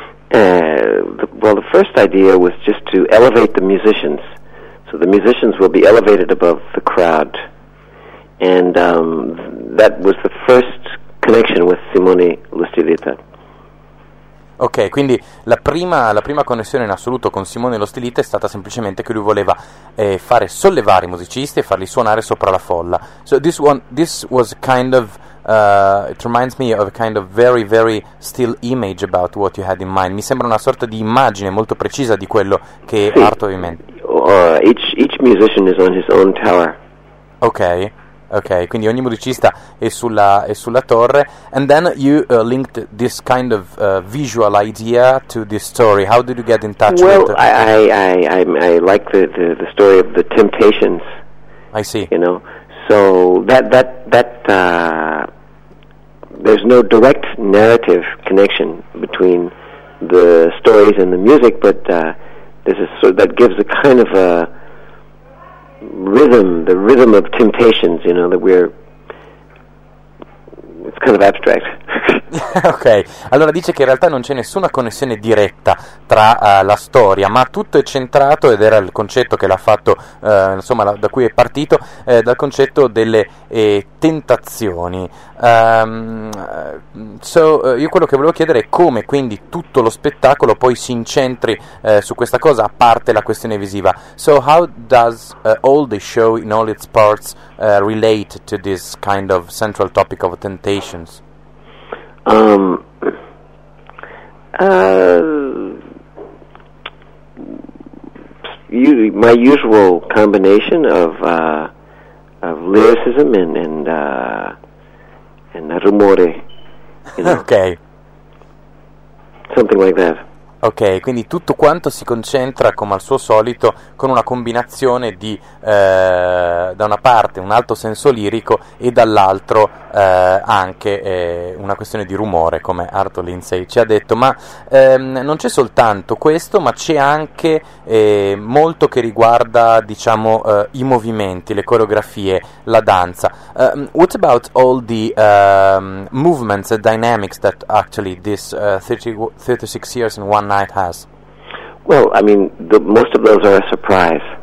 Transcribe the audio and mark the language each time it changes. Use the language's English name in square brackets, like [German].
[English] The first idea was just to elevate the musicians. So the musicians will be elevated above the crowd. And that was the first connection with Simone lo Stilita. [Italian] Ok, quindi la prima connessione in assoluto con Simone lo Stilita è stata semplicemente che lui voleva fare sollevare i musicisti e farli suonare sopra la folla. [English] So this was kind of it reminds me of a kind of very very still image about what you had in mind. [Italian] Mi sembra una sorta di immagine molto precisa di quello che sì. [English] Art of Event. Each musician is on his own tower. [Italian] Ok, quindi ogni musicista è sulla torre. [English] And then you linked this kind of visual idea to this story. How did you get in touch with it? I like the story of the Temptations. I see. You know, so that there's no direct narrative connection between the stories and the music, but this is sort of, that gives a kind of a rhythm, the rhythm of Temptations, you know, that we're, it's kind of abstract. [Italian] Ok, allora dice che in realtà non c'è nessuna connessione diretta tra la storia, ma tutto è centrato, ed era il concetto che l'ha fatto, insomma, da cui è partito, dal concetto delle tentazioni. Io quello che volevo chiedere è come quindi tutto lo spettacolo poi si incentri su questa cosa, a parte la questione visiva. [English] So how does all the show in all its parts relate to this kind of central topic of Temptations? My usual combination of lyricism and rumore, you know? Okay. Something like that. [Italian] Ok, quindi tutto quanto si concentra come al suo solito con una combinazione di, da una parte, un alto senso lirico e dall'altro anche una questione di rumore, come Arthur Lindsay ci ha detto. Ma non c'è soltanto questo, ma c'è anche molto che riguarda, diciamo, i movimenti, le coreografie, la danza. [English] What about all the movements, the dynamics that actually this 36 years and one night has? Well, I mean, most of those are a surprise.